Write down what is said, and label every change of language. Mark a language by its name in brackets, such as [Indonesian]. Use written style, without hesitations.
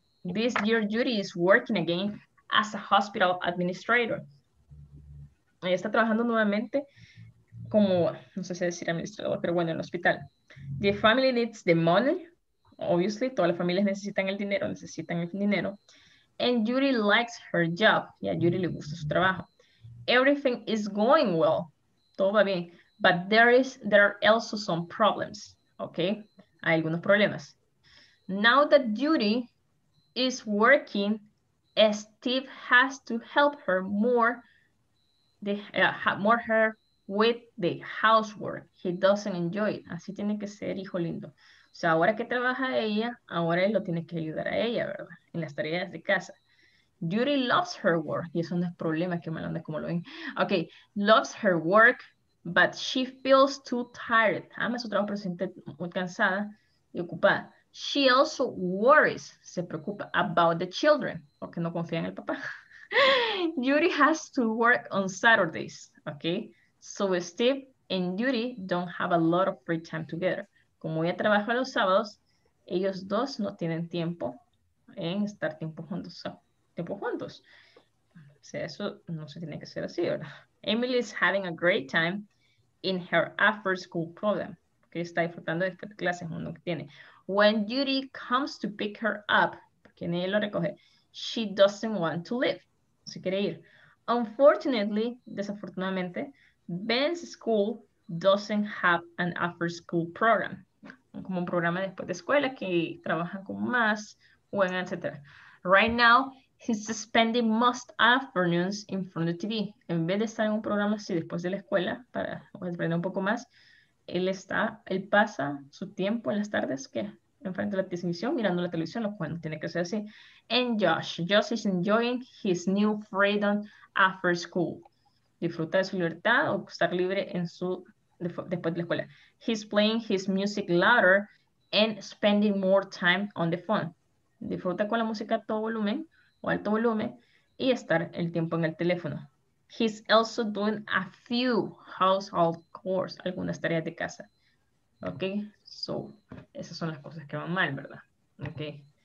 [English] This year, Judy is working again as a hospital administrator. [Spanish] Ella está trabajando nuevamente como, no sé si decir administrador, pero bueno, en el hospital. [English] The family needs the money, obviously. [Spanish] Todas las familias necesitan el dinero. [English] And Judy likes her job. Yeah, [Spanish] Judy le gusta su trabajo. [English] Everything is going well. [Spanish] Todo va bien. [English] But there are also some problems, okay? [Spanish] Hay algunos problemas. [English] Now that Judy is working, Steve has to help her more with the housework. He doesn't enjoy it. [Spanish] Así tiene que ser, hijo lindo. O sea, ahora que trabaja ella, ahora él lo tiene que ayudar a ella, ¿verdad? En las tareas de casa. [English] Judy loves her work. [Spanish] Y eso no es problema, que mal anda como lo ven. [English] Okay, loves her work. But she feels too tired. [Spanish] Ama su trabajo, pero se siente muy cansada y ocupada. [English] She also worries, [Spanish] se preocupa, [English] about the children. [Spanish] Porque no confía en el papá. [English] Judy has to work on Saturdays, okay? So Steve and Judy don't have a lot of free time together. [Spanish] Como ella trabaja los sábados, ellos dos no tienen tiempo en estar tiempo juntos. O sea, eso no se tiene que hacer así, ¿verdad? [English] Emily is having a great time in her after school program. [Spanish] Que está disfrutando de esta clase, uno que tiene. [English] When Judy comes to pick her up, [Spanish] porque nadie lo recoge, [English] she doesn't want to leave. [Spanish] Se quiere ir. [English] Unfortunately, desafortunadamente, Ben's school doesn't have an after school program. [Spanish] Como un programa después de escuela que trabajan con más, etc. Right now, [English] He's spending most afternoons in front of the TV. [Spanish] En vez de estar en un programa así después de la escuela, para aprender un poco más, él está, él pasa su tiempo en las tardes, ¿qué? Enfrente de la televisión, mirando la televisión, lo cual no tiene que ser así. And Josh. [English] Josh is enjoying his new freedom after school. [Spanish] Disfruta de su libertad o estar libre en su, después de la escuela. [English] He's playing his music louder and spending more time on the phone. [Spanish] Disfruta con la música a todo volumen o alto volumen y estar el tiempo en el teléfono. [English] He's also doing a few household chores, [Spanish] algunas tareas de casa. Ok, so, esas son las cosas que van mal, ¿verdad? Ok.